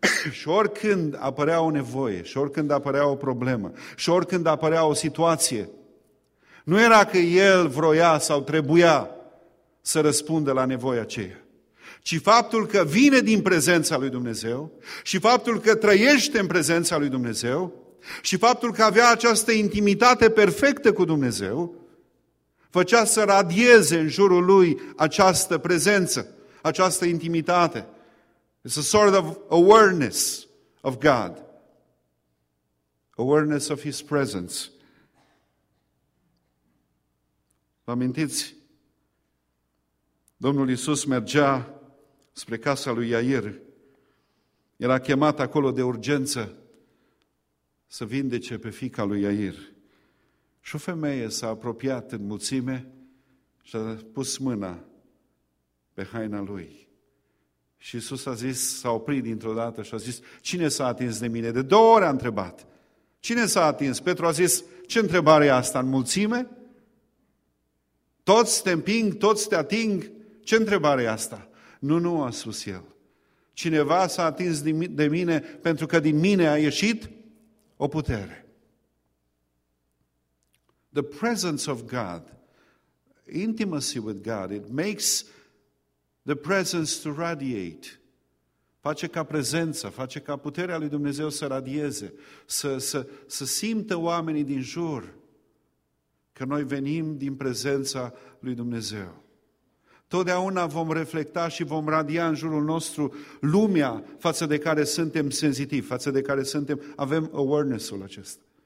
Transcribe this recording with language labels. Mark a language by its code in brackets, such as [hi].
[ro] Și oricând apărea o nevoie, și oricând apărea o problemă, și oricând apărea o situație, nu era că el vroia sau trebuia să răspundă la nevoia aceea, ci faptul că vine din prezența lui Dumnezeu și faptul că trăiește în prezența lui Dumnezeu și faptul că avea această intimitate perfectă cu Dumnezeu făcea să radieze în jurul lui această prezență, această intimitate. [en] It's a sort of awareness of God. Awareness of His presence. [ro] Vă amintiți? Domnul Iisus mergea spre casa lui Iair. Era chemat acolo de urgență să vindece pe fiica lui Iair. Și o femeie s-a apropiat în mulțime și a pus mâna pe haina lui. Și Iisus a zis, s-a oprit dintr-o dată și a zis: cine s-a atins de mine? De două ori a întrebat. Cine s-a atins? Petru a zis: ce întrebare e asta? În mulțime? Toți te împing, toți te ating? Ce întrebare e asta? Nu, nu, a spus el. Cineva s-a atins de mine pentru că din mine a ieșit o putere. [en] The presence of God, intimacy with God, it makes the presence to radiate. [ro] Face ca prezența, face ca puterea lui Dumnezeu să radieze, să simtă oamenii din jur că noi venim din prezența lui Dumnezeu. Totdeauna vom reflecta și vom radia în jurul nostru lumea față de care suntem sensitivi, față de care suntem, avem awareness-ul acesta.